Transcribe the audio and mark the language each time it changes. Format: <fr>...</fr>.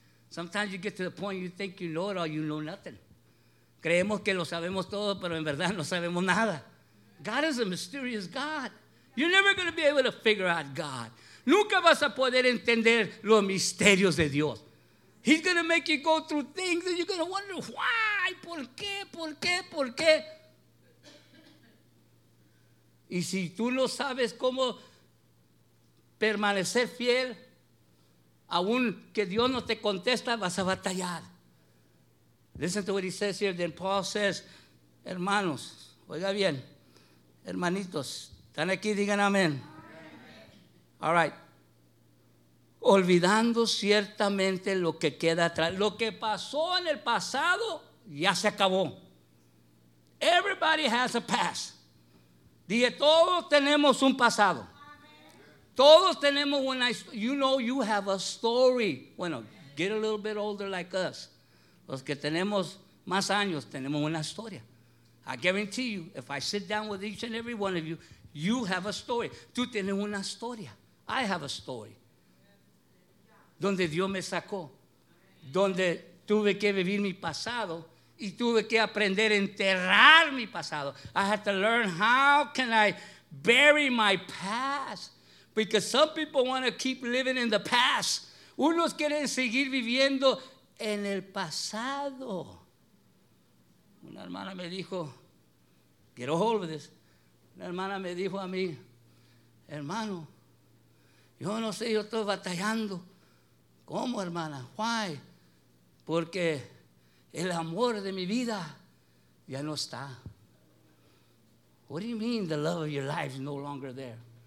<en>Sometimes you get to the point you think you know it all, you know nothing.</en> <es>Creemos que lo sabemos todo, pero en verdad no sabemos nada.</es> <en>God is a mysterious God. You're never going to be able to figure out God.</en> <es>Nunca vas a poder entender los misterios de Dios.</es> <en>He's going to make you go through things and you're going to wonder why,</en> <es>por qué, por qué, por qué. Y si tú no sabes cómo permanecer fiel, aun que Dios no te contesta, vas a batallar.</es> <en>Listen to what he says here. Then Paul says,</en> <es>hermanos, oiga bien, hermanitos, están aquí, digan amén.</es> <en>All right.</en> <es>Olvidando ciertamente lo que queda atrás. Lo que pasó en el pasado ya se acabó.</es> <en>Everybody has a past.</en> <es>Dije, todos tenemos un pasado. Todos tenemos una historia.</es> <en>You know you have a story. Bueno, get a little bit older like us.</en> <es>Los que tenemos más años tenemos una historia.</es> <en>I guarantee you, if I sit down with each and every one of you, you have a story.</en> <es>Tú tienes una historia.</es> <en>I have a story.</en> <es>Donde Dios me sacó, donde tuve que vivir mi pasado y tuve que aprender a enterrar mi pasado.</es> <en>I had to learn how can I bury my past, because some people want to keep living in the past.</en> <es>Unos quieren seguir viviendo en el pasado. Una hermana me dijo,</es> <en>get a hold of this.</en> <es>Una hermana me dijo a mí, hermano, yo no sé, yo estoy batallando. ¿Cómo, hermana? Why? Porque el amor de mi vida ya no está.</es> <en>What do you mean the love of your life is no longer there?</en>